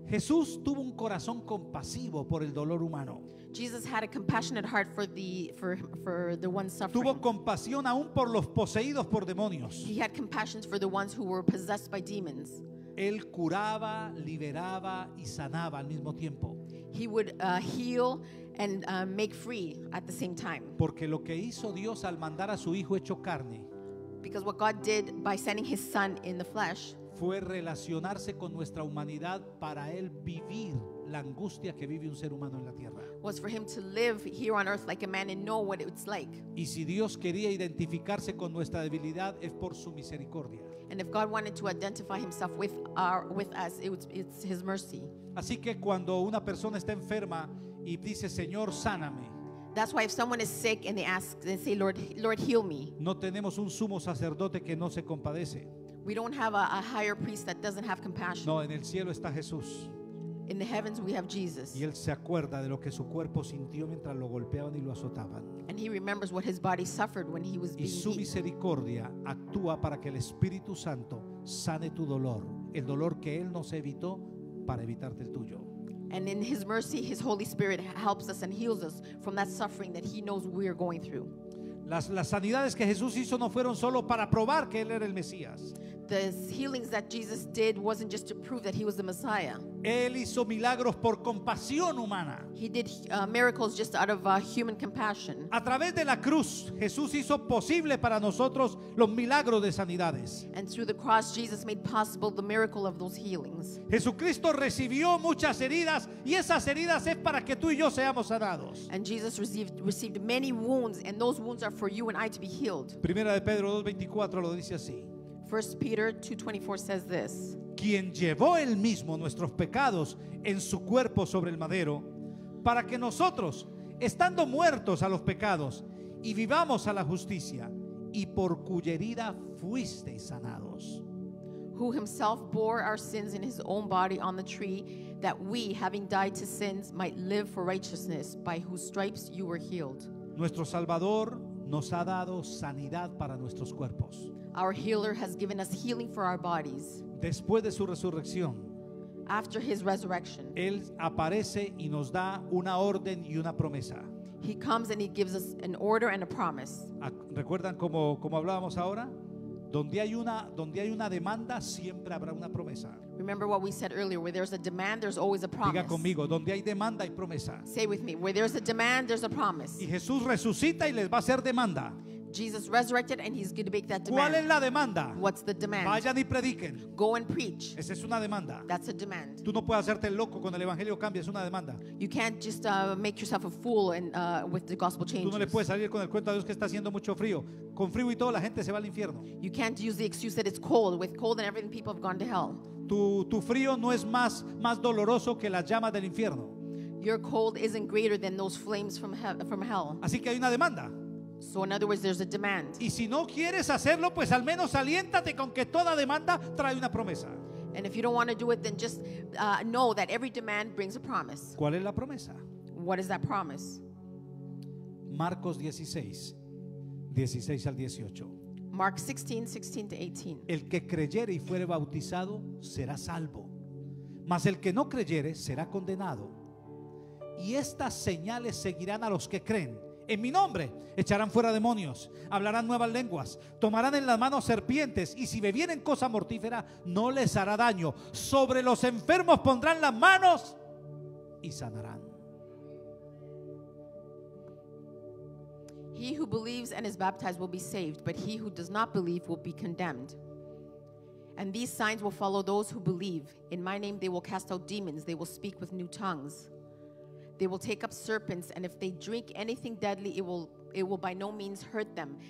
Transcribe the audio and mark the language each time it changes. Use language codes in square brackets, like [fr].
[es] Jesús tuvo un corazón compasivo por el dolor humano. [en] Jesus had a compassionate heart for the ones suffering. [es] Tuvo compasión aún por los poseídos por demonios. [en] He had compassion for the ones who were possessed by demons. [es] Él curaba, liberaba y sanaba al mismo tiempo. [en] He would heal and make free at the same time. [es] Porque lo que hizo Dios al mandar a su hijo hecho carne. [en] Because what God did by sending his son in the flesh. [es] Fue relacionarse con nuestra humanidad para él vivir la angustia que vive un ser humano en la tierra. [en] Was for him to live here on earth like a man and know what it's like. [es] Y si Dios quería identificarse con nuestra debilidad es por su misericordia. [en] And if God wanted to identify himself with us, it's his mercy. [es] Así que cuando una persona está enferma y dice, Señor, sáname. [en] That's why if someone is sick and they say, Lord, heal me. [es] No tenemos un sumo sacerdote que no se compadece. [en] We don't have a higher priest that doesn't have compassion. [es] No, en el cielo está Jesús. [en] In the heavens we have Jesus. [es] Y él se acuerda de lo que su cuerpo sintió mientras lo golpeaban y lo azotaban. [en] And he remembers what his body suffered when he was being beaten. [es] Y su misericordia actúa para que el Espíritu Santo sane tu dolor, el dolor que él no se evitó para evitarte el tuyo. [en] And in his mercy, his Holy Spirit helps us and heals us from that suffering that he knows we are going through. [es] Las sanidades que Jesús hizo no fueron solo para probar que él era el Mesías. [en] The healings that Jesus did wasn't just to prove that he was the Messiah. [es] Él hizo milagros por compasión humana. [en] He did miracles just out of human compassion. [es] A través de la cruz, Jesús hizo posible para nosotros los milagros de sanidades. [en] And through the cross, Jesus made possible the miracle of those healings. [es] Jesucristo recibió muchas heridas y esas heridas es para que tú y yo seamos sanados. [en] And Jesus received many wounds and those wounds are for you and I to be healed. [es] Primera de Pedro 2:24 lo dice así. [en] 1 Peter 2:24 says this. [es] Quien llevó él mismo nuestros pecados en su cuerpo sobre el madero, para que nosotros, estando muertos a los pecados, y vivamos a la justicia, y por cuya herida fuisteis sanados. [en] Who himself bore our sins in his own body on the tree, that we, having died to sins, might live for righteousness, by whose stripes you were healed. [es] Nuestro Salvador nos ha dado sanidad para nuestros cuerpos. [en] Our healer has given us healing for our bodies. [es] Después de su resurrección, [en] after his resurrection, [es] él aparece y nos da una orden y una promesa. [en] He comes and he gives us an order and a promise. [es] ¿Recuerdan cómo hablábamos ahora? Donde hay una demanda, siempre habrá una promesa. [en] Remember what we said earlier, where there's a demand, there's always a promise. [es] Diga conmigo, donde hay demanda hay promesa. [en] Say with me, where there's a demand, there's a promise. [es] Y Jesús resucita y les va a hacer demanda. [en] Jesus resurrected and he's going to make that demand. [es] ¿Cuál es la demanda? [en] What's the demand? [es] Vayan y prediquen. [en] Go and preach. [es] Esa es una demanda. [en] That's a demand. [es] Tú no puedes hacerte loco cuando el evangelio cambia, es una demanda. [en] You can't just make yourself a fool and with the gospel changes. [es] Tú no le puedes salir con el cuento a Dios que está haciendo mucho frío. Con frío y todo la gente se va al infierno. [en] You can't use the excuse that it's cold. With cold and everything people have gone to hell. [es] Tu frío no es más doloroso que las llamas del infierno. [en] Your cold isn't greater than those flames from hell. [es] Así que hay una demanda. [en] So in other words, there's a demand. [es] Y si no quieres hacerlo, pues al menos aliéntate con que toda demanda trae una promesa. [en] And if you don't want to do it, then just know that every demand brings a promise. [es] ¿Cuál es la promesa? [en] What is that promise? [es] Marcos 16, 16 al 18. [en] Mark 16, 16 to 18. [es] El que creyere y fuere bautizado será salvo, mas el que no creyere será condenado. Y estas señales seguirán a los que creen. En mi nombre echarán fuera demonios, hablarán nuevas lenguas, tomarán en las manos serpientes, y si bebieren cosa mortífera no les hará daño. Sobre los enfermos pondrán las manos y sanarán. [en] He who believes and is baptized will be saved, but he who does not believe will be condemned. And these signs will follow those who believe. In my name they will cast out demons, they will speak with new tongues. They will take up serpents, and if they drink anything deadly, it will by no means hurt them.